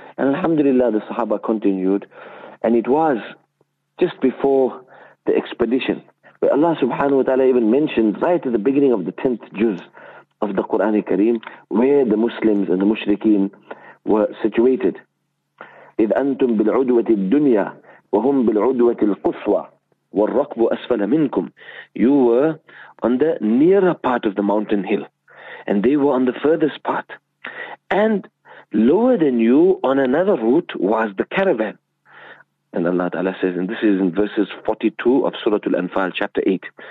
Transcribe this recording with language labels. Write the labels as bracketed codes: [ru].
[en] And alhamdulillah, the Sahaba continued, and it was just before the expedition, where Allah subhanahu wa ta'ala even mentioned right at the beginning of the 10th juz of the Qur'an Kareem, where the Muslims and the Mushrikeen were situated. [ar] إذ أنتم بالعدوة الدنيا وهم بالعدوة القصوى والركب أسفل منكم. [en] You were on the nearer part of the mountain hill, and they were on the furthest part. And lower than you on another route was the caravan. And Allah Ta'ala says, and this is in verses 42 of Surah Al-Anfal, chapter 8.